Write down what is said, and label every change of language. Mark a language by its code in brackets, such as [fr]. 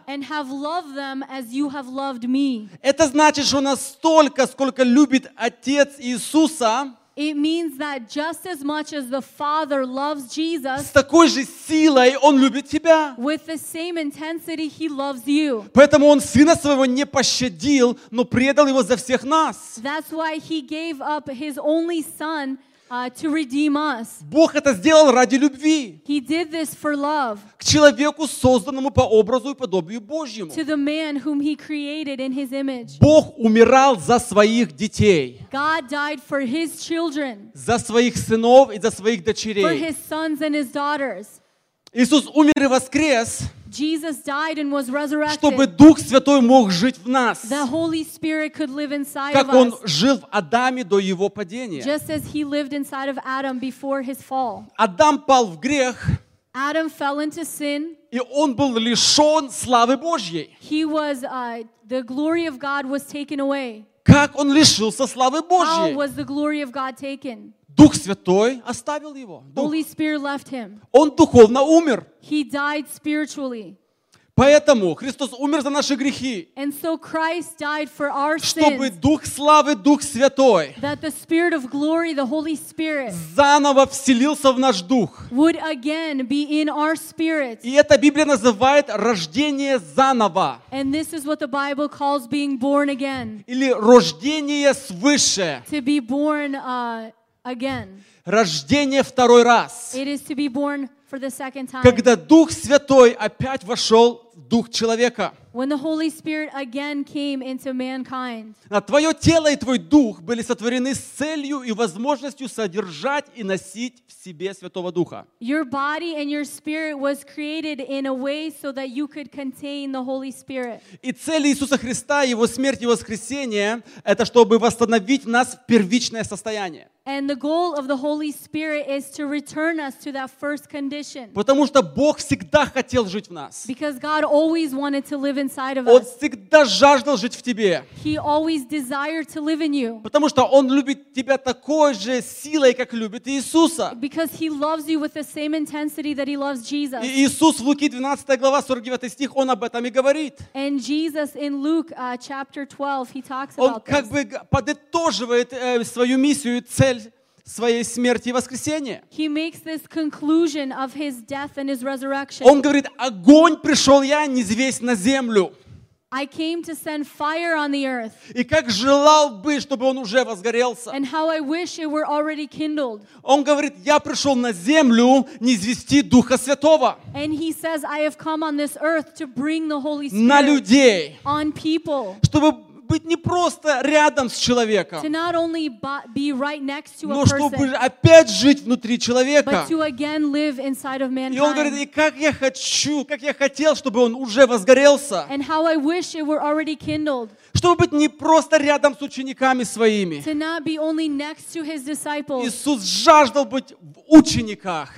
[en] And have loved them as you have loved me. [ru] Это значит, что настолько, сколько любит Отец Иисуса, [en] It means that just as much as the Father loves Jesus, [ru] с такой же силой Он любит тебя. [en] With the same intensity, He loves you. [ru] Поэтому Он Сына Своего не пощадил, но предал Его за всех нас. [en] That's why He gave up His only Son to redeem us. [ru] Бог это сделал ради любви. [en] He did this for love. [ru] К человеку, созданному по образу и подобию Божьему. [en] To the man whom He created in His image. [ru] Бог умирал за своих детей. [en] God died for His children. [ru] За своих сынов и за своих дочерей. [en] For His sons and His daughters. [ru] Иисус умер и воскрес. [en] Jesus died and was resurrected. [ru] Чтобы Дух Святой мог жить в нас. [en] The Holy Spirit could live inside [ru] как [en] of us. [ru] Он жил в Адаме до его падения. [en] Just as He lived inside of Adam before His fall. [ru] Адам пал в грех. [en] Adam fell into sin. [ru] И он был лишен славы Божьей. [en] He was the glory of God was taken away. [ru] Как он лишился славы Божьей? [en] How was the glory of God taken? [ru] Дух Святой оставил его. [en] Holy Spirit left him. [ru] Он духовно умер. [en] He died spiritually. [ru] Поэтому Христос умер за наши грехи. [en] And so Christ died for our sins. [ru] Чтобы Дух Славы, Дух Святой, [en] that the Spirit of Glory, the Holy Spirit, [ru] заново вселился в наш дух. [en] Would again be in our spirit. [ru] И это Библия называет рождение заново. [en] And this is what the Bible calls being born again. [ru] Или рождение свыше. [en] To be born again. [ru] Рождение второй раз. [en] It is to be born for the second time. [ru] Когда Дух Святой опять вошел в дух человека. [en] When the Holy Spirit again came into mankind. [ru] А твое тело и твой дух были сотворены с целью и возможностью содержать и носить в себе Святого Духа. [en] Your body and your spirit was created in a way so that you could contain the Holy Spirit. [ru] И цель Иисуса Христа, Его смерть и воскресение, это чтобы восстановить нас в первичное состояние. [en] And the goal of the Holy Spirit is to return us to that first condition. [ru] Потому что Бог всегда хотел жить в нас. [en] Because God always wanted to live inside of us. [ru] Он всегда жаждал жить в тебе. [en] He always desired to live in you. [ru] Потому что Он любит тебя такой же силой, как любит Иисуса. [en] Because He loves you with the same intensity that He loves Jesus. [ru] И Иисус в Луки 12 глава 49 стих, Он об этом и говорит. [en] And Jesus in Luke chapter 12, He talks about this. [ru] Он как бы подытоживает свою миссию и своей смерти и воскресения. [en] He makes this conclusion of His death and His resurrection. [ru] Он говорит, огонь пришел я, низвесь на землю. [en] I came to send fire on the earth. [ru] И как желал бы, чтобы он уже возгорелся. [en] And how I wish it were already kindled. [ru] Он говорит, я пришел на землю низвести Духа Святого. [en] And he says, I have come on this earth to bring the Holy Spirit. [ru] На людей. [en] On people. [ru] Чтобы быть не просто рядом с человеком, [en] to not only be right next to a [ru] но чтобы опять жить внутри человека. [en] But to again live inside of mankind. [ru] И он говорит, и как я хочу, как я хотел, чтобы он уже возгорелся. [en] And how I wish it were already kindled. [ru] Чтобы быть не просто рядом с учениками своими. [en] To not be only next to his disciples. [ru] Иисус жаждал быть в учениках.